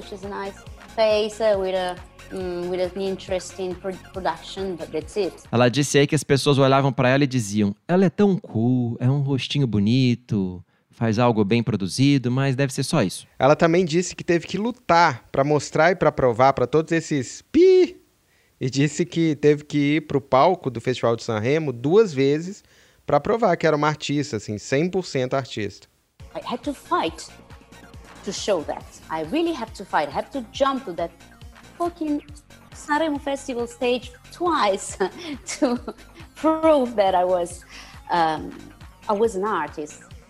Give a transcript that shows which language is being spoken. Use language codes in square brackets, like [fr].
[en] She's a nice face with an interesting production, but that's it. [pt] Ela disse aí que as pessoas olhavam para ela e diziam: ela é tão cool, é um rostinho bonito, faz algo bem produzido, mas deve ser só isso. Ela também disse que teve que lutar para mostrar e para provar para todos esses pi. E disse que teve que ir pro palco do Festival de San Remo duas vezes para provar que era uma artista, assim, 100% artista. [en] I had to fight to show that. I really have to fight. I have to jump to that fucking San Remo Festival stage twice to prove that I was an artist.